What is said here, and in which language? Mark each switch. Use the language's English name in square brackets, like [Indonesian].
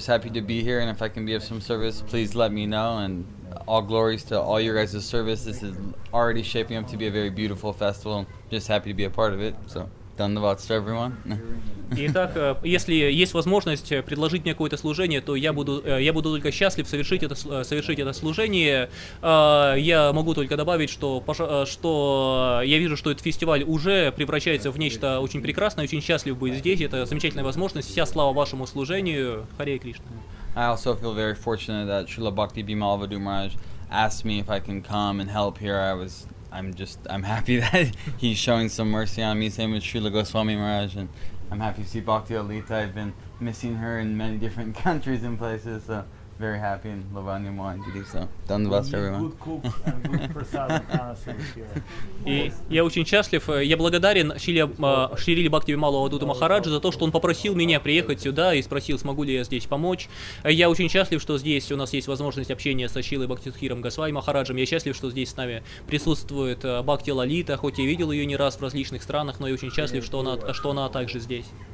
[English] I'm just happy to be here, and if I can be of some service, please let me know. And all glories to all your guys' service. This is already shaping up to be a very beautiful festival. Just happy to be a part of it. So, dhanyavad to everyone. [Russian] Итак, если есть возможность предложить мне какое-то служение, то я буду только счастлив совершить это служение. Я могу только добавить, что я вижу, что этот фестиваль уже превращается в нечто очень прекрасное, очень счастлив быть здесь. Это замечательная возможность. Вся слава вашему служению. Харе Кришна. [English] I also feel very fortunate that Srila Bhakti Bimala Vadhu Maharaj asked me if I can come and help here. I'm happy that he's showing some mercy on me, same with Srila Goswami Maharaj. And I'm happy to see Bhakti Lalita. I've been missing her in many different countries and places, so very happy in Lavanya Moy to do so. Done the best, everyone. Good cook and good prasad here. [Russian] Я очень счастлив, я благодарен Шрили Бхакти Бимала Адвайта Махараджа за то, что он попросил меня приехать сюда и спросил, смогу ли я здесь помочь. Я очень счастлив, что здесь у нас есть возможность общения со Шрилой Бхактисудхиром Госвами Махараджем. Я счастлив, что здесь с нами присутствует Бхакти Лалита, хоть я видел ее не раз в различных странах, но я очень счастлив, что она также здесь.